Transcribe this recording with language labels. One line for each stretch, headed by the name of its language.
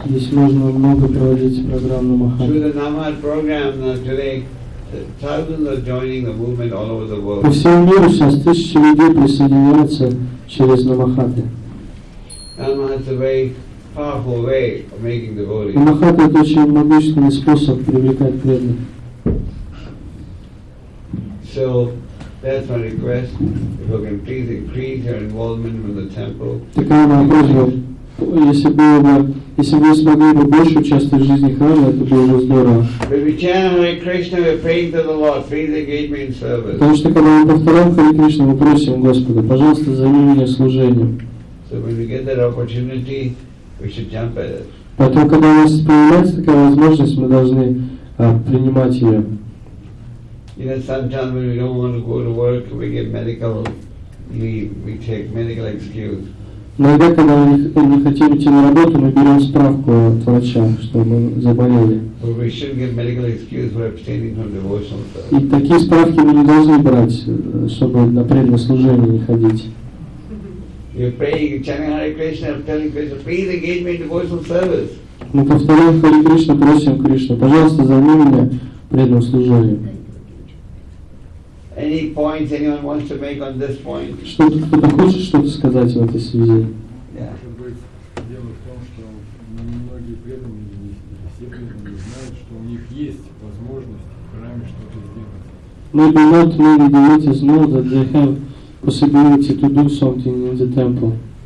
Russian: Здесь можно много проводить программ Намахат.
English: Through the Namahat program, today thousands are joining the movement all over the world.
Russian: По всему миру сейчас тысячи людей присоединяются через Намахаты.
English: Namahat is a very powerful way of making devotees.
Russian: Намахат это очень могущественный способ привлекать преданных.
English: So. That's my request. If we can please increase your involvement with the temple.
Russian: Такая моя просьба. Если бы вы смогли бы больше участвовать в жизни храма, это было бы здорово.
English: When we chant Hare Krishna, we're praying to the Lord. Please engage me in service.
Russian: Потому что когда мы повторяем Hare Krishna, мы просим Господа, пожалуйста, займи меня служением.
English: So when we get that opportunity, we should jump at it.
Russian: Поэтому когда у нас появляется такая возможность, мы должны принимать ее.
English: You know, sometimes when we don't want to go to work, we get medical leave. We take medical excuse.
Russian: Иногда, когда не хотим идти на работу, мы берем справку от врача, что мы заболели.
English: But we shouldn't give medical excuse for abstaining from devotional service.
Russian: И такие справки мы не должны брать, чтобы на преданное служение не ходить.
English: You're praying, chanting Hare Krishna, I'm telling Krishna, please engage me in devotional service.
Russian: Мы повторяем Hare Krishna, просим Кришну, пожалуйста, займи меня преданным служением.
English: Any points anyone wants to make on this point?
Russian: Что-то кто-то хочет что-то сказать в этой связи? Дело в том, что многие преданные, все преданные знают, что у них есть возможность в храме что-то сделать.
English: Maybe not many devotees know that they have possibility to do something in the temple.